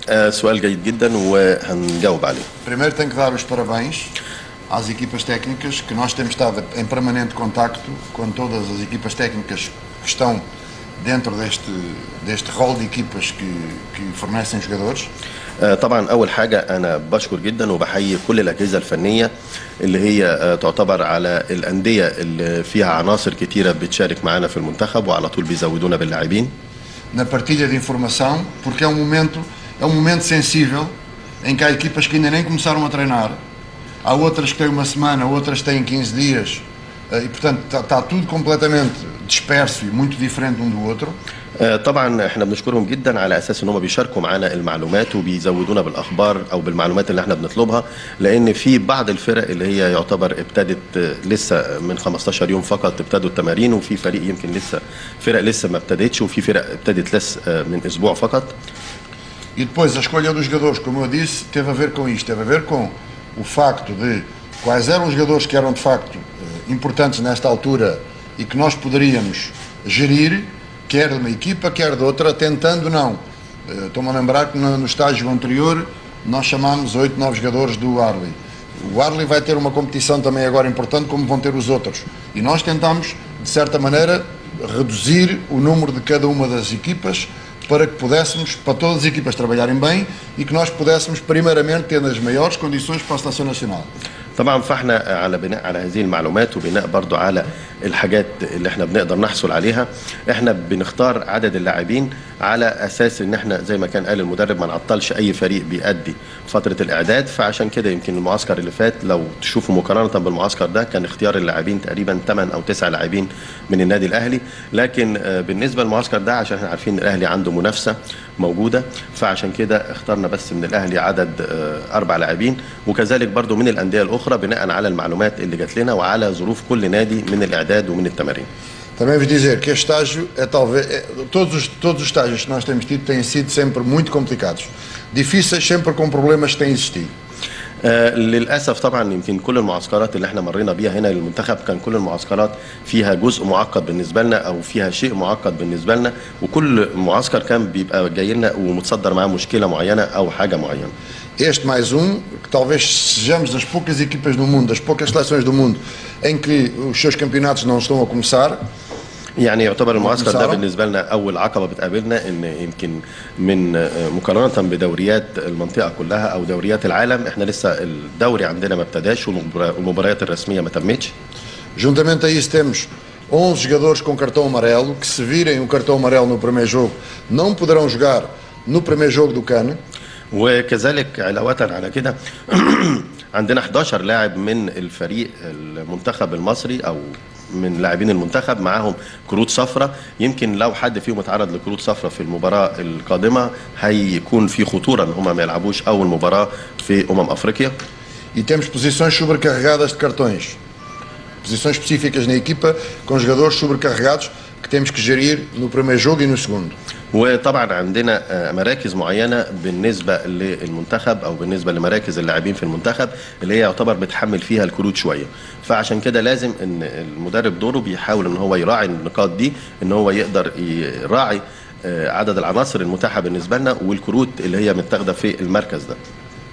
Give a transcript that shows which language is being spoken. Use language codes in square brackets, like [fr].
[ar] سؤال جيد جدا وهنجاوب عليه. [pt] Primeiro tenho que dar os parabéns às equipas técnicas, que nós temos estado em permanente contacto com todas as equipas técnicas que estão dentro deste rol de equipas que fornecem jogadores. [ar] طبعا اول حاجه انا بشكر جدا وبحيي كل الاجهزه الفنيه اللي هي تعتبر على الانديه اللي فيها عناصر كتيره بتشارك معنا في المنتخب وعلى طول بيزودونا باللاعبين. [pt] Na partilha de informação, porque é um momento sensível em que há equipas que ainda nem começaram a treinar. Há outras que têm uma semana, outras têm 15 dias. E, portanto, está tudo completamente disperso e muito diferente um do outro. [ar] طبعا احنا بنشكرهم جدا على اساس ان هم بيشاركوا معنا المعلومات وبيزودونا بالاخبار او بالمعلومات اللي احنا بنطلبها، لان في بعض الفرق اللي هي يعتبر ابتدت لسه من 15 يوم فقط ابتدوا التمارين، وفي فريق يمكن لسه فرق لسه ما ابتدتش، وفي فرق ابتدت لسه من اسبوع فقط. [pt] E depois a escolha dos jogadores, como eu disse, teve a ver com isto, teve a ver com o facto de quais eram os jogadores que eram de facto importantes nesta altura e que nós poderíamos gerir, quer de uma equipa, quer de outra, tentando não. Estou-me a lembrar que no estágio anterior nós chamámos 8, 9 jogadores do Ahly. O Ahly vai ter uma competição também agora importante, como vão ter os outros. E nós tentámos, de certa maneira, reduzir o número de cada uma das equipas para que pudéssemos, para todas as equipas trabalharem bem e que nós pudéssemos, primeiramente, ter as maiores condições para a seleção nacional. [ar] طبعا فاحنا على بناء على هذه المعلومات وبناء برضو على الحاجات اللي احنا بنقدر نحصل عليها، احنا بنختار عدد اللاعبين على اساس ان احنا زي ما كان قال المدرب ما نعطلش اي فريق بيأدي فتره الاعداد. فعشان كده يمكن المعسكر اللي فات لو تشوفوا مقارنه بالمعسكر ده كان اختيار اللاعبين تقريبا 8 او 9 لاعبين من النادي الاهلي، لكن بالنسبه للمعسكر ده عشان احنا عارفين الاهلي عنده منافسه موجوده، فعشان كده اخترنا بس من الاهلي عدد 4 لاعبين، وكذلك برضو من الانديه الاخرى بناء على المعلومات اللي جات لنا وعلى ظروف كل نادي من الاعداد ومن التمارين. [pt] Também vos dizer que este estágio é talvez. Todos os estágios que nós temos tido têm sido sempre muito complicados. Difíceis, sempre com problemas que têm existido. [ar] للأسف طبعا يمكن كل المعسكرات اللي احنا مرينا بيها هنا للمنتخب كان كل المعسكرات فيها جزء معقد بالنسبة لنا أو فيها شيء معقد بالنسبة لنا، وكل معسكر كان بيبقى جاي لنا ومتصدر معاه مشكلة معينة أو حاجة معينة. [pt] Este mais um, que talvez sejamos das poucas equipas do mundo, das poucas seleções do mundo, em que os seus campeonatos não estão a começar. [ar] يعني يعتبر المعسكر ده بالنسبه لنا اول عقبه بتقابلنا، ان يمكن من مقارنه بدوريات المنطقه كلها او دوريات العالم احنا لسه الدوري عندنا ما ابتداش والمباريات الرسميه ما تمتش. [pt] Juntamente a isso temos 11 jogadores com cartão amarelo que se virem um cartão amarelo no primeiro jogo não poderão jogar no primeiro jogo do CAN. [ar] وكذلك علاوه على كده عندنا 11 لاعب من الفريق المنتخب المصري او من لاعبين المنتخب معاهم كروت صفراء، يمكن لو حد فيهم اتعرض لكروت صفراء في المباراه القادمه هيكون في خطوره ان هم ما يلعبوش اول مباراه في امم افريقيا. [pt] E temos posições sobrecarregadas de cartões. Posições específicas na equipa com jogadores sobrecarregados que temos que gerir no primeiro jogo e no segundo. [ar] وطبعا عندنا مراكز معينه بالنسبه للمنتخب او بالنسبه لمراكز اللاعبين في المنتخب اللي هي يعتبر بتحمل فيها الكروت شويه، فعشان كده لازم ان المدرب دوره بيحاول ان هو يراعي النقاط دي، ان هو يقدر يراعي عدد العناصر المتاحه بالنسبه لنا والكروت اللي هي متاخده في المركز ده.